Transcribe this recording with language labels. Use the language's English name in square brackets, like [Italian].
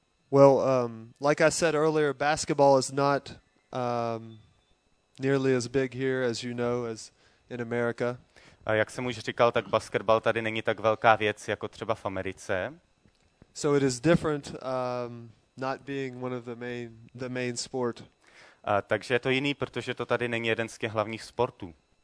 [English] Well, like I said earlier, basketball is not nearly as big here, as you know, as in America. [Czech] A jak jsem už říkal, tak basketbal tady není tak velká věc jako třeba v Americe. [English] So it is different not being one of the main sport. [Czech] Takže je to jiný, protože to tady není jeden z těch hlavních sportů.